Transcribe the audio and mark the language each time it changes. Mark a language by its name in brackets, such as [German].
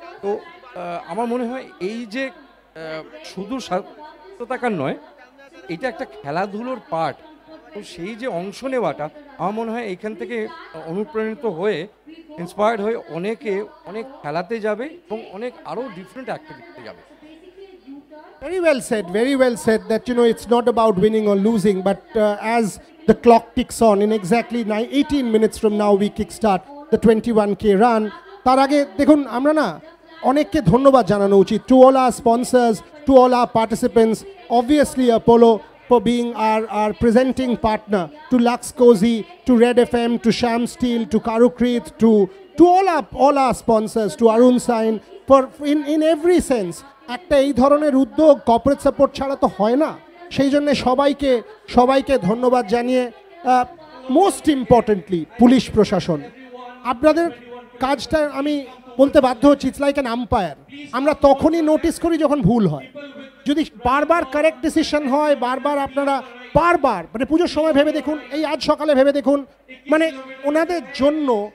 [Bangla] তো আমার মনে হয় এই যে শুধু স্বাস্থ্যতাকার নয়, এটা একটা খেলাধুলোর পার্ট, তো সেই যে অংশ নেওয়াটা আমার মনে হয় এখান থেকে অনুপ্রাণিত হয়ে ইন্সপায়ার্ড হয়ে অনেকে অনেক খেলাতে যাবে এবং অনেক আরও ডিফারেন্ট অ্যাক্টিভিটিতে যাবে। [English] Very well said, very well said, that you know it's not about winning or losing, but as the clock ticks on, in exactly 18 minutes from now we kickstart the 21k run. [Bangla] Tar age dekhun amra na onekke dhonnobad janano uchit [English] to all our sponsors, to all our participants, obviously Apollo for being our presenting partner, to Lux Cozy, to Red FM, to Sham Steel, to Karukrit, to all our sponsors, to Arun Sain, for in every sense. [Bangla] একটা এই ধরনের উদ্যোগ corporate support ছাড়া তো হয় না, সেই জন্যে সবাইকে ধন্যবাদ জানিয়ে, [English] most importantly [Bangla] পুলিশ প্রশাসন, আপনাদের কাজটা আমি বলতে বাধ্য হচ্ছি, [English] it's like an umpire, [Bangla] আমরা তখনই নোটিস করি যখন ভুল হয়, যদি বারবার কারেক্ট ডিসিশন হয়, বারবার আপনারা বারবার মানে পুজোর সময় ভেবে দেখুন, এই আজ সকালে ভেবে দেখুন, মানে ওনাদের জন্য